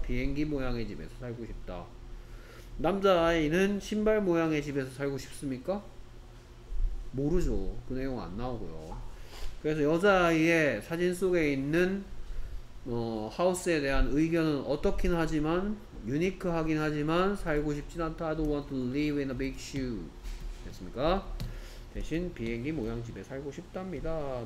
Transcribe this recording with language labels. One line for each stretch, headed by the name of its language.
Korean: 비행기 모양의 집에서 살고 싶다. 남자아이는 신발 모양의 집에서 살고 싶습니까? 모르죠. 그 내용 안 나오고요. 그래서 여자아이의 사진 속에 있는 하우스에 대한 의견은 어떻긴 하지만 유니크하긴 하지만 살고 싶진 않다.
English: I don't want to live in a big shoe.
Korean: 됐습니까? 대신 비행기 모양 집에 살고 싶답니다.